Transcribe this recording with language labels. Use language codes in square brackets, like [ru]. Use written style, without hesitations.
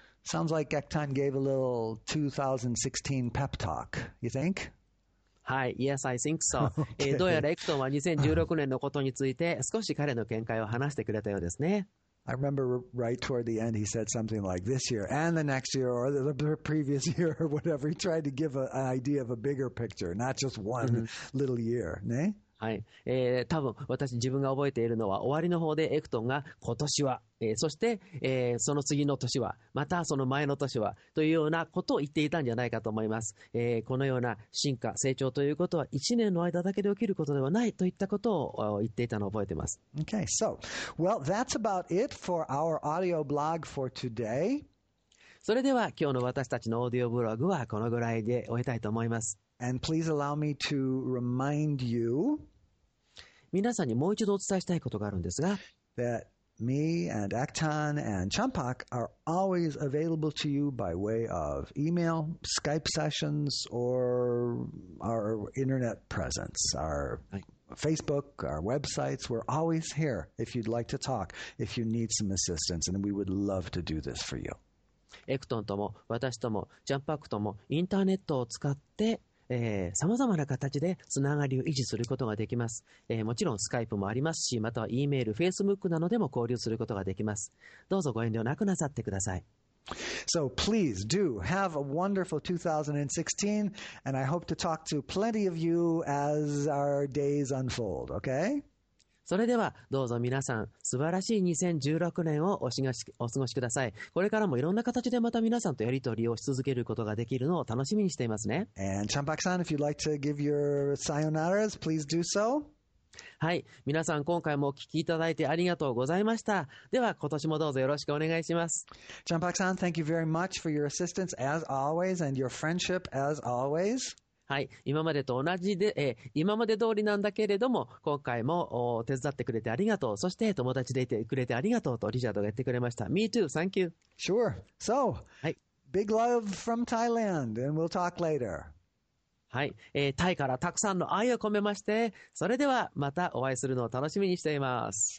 [en] Sounds like Ektan gave a little 2016 pep talk, you think? はい、Yes, I think so. Okay. [ja] どうやらエクトンは2016年のことについて少し彼の見解を話してくれたようですね。 [en] I remember right toward the end he said something like this year and the next year or the previous year or whatever. He tried to give an idea of a bigger picture, not just one little year. ね。 [ja] はい、多分私自分が覚えているのは終わりの方でエクトンが今年は、そして、その次の年はまたその前の年はというようなことを言っていたんじゃないかと思います、このような進化成長ということは1年の間だけで起きることではないといったことを言っていたのを覚えています。 [en] Okay, so, well, that's about it for our audio blog for today. [ja] それでは今日の私たちのオーディオブログはこのぐらいで終えたいと思います。 [en] And please allow me to remind you. [ja] 皆さんにもう一度お伝えしたいことがあるんですが、 [en] that me and Actan and Champak are always available to you by way of email, Skype sessions, or our internet presence, our Facebook, our websites. We're always here if you'd like to talk, if you need some assistance, and we would love to do this for you. [ja] エクトンとも私ともジャンパックともインターネットを使って、さまざまな形でつながりを維持することができます、もちろんスカイプもありますし、または E メール、Facebook などでも交流することができます。どうぞご遠慮なくなさってください。 [en] So please do have a wonderful 2016 and I hope to talk to plenty of you as our days unfold, okay? [ja] それではどうぞ皆さん素晴らしい2016年をお過ごしください。これからもいろんな形でまた皆さんとやり取りをし続けることができるのを楽しみにしていますね。 [en] And Champak-san, if you'd like to give your sayonaras, please do so. [ja] はい、皆さん今回もお聞きいただいてありがとうございました。では今年もどうぞよろしくお願いします。 [en] Champak-san, thank you very much for your assistance as always and your friendship as always. [ja] はい、今までと同じで、今まで通りなんだけれども今回も手伝ってくれてありがとう、そして友達でいてくれてありがとうとリチャードが言ってくれました。 [en] Me too, thank you. Sure, so、はい、big love from Thailand and we'll talk later. [ja] はい、タイからたくさんの愛を込めまして、それではまたお会いするのを楽しみにしています。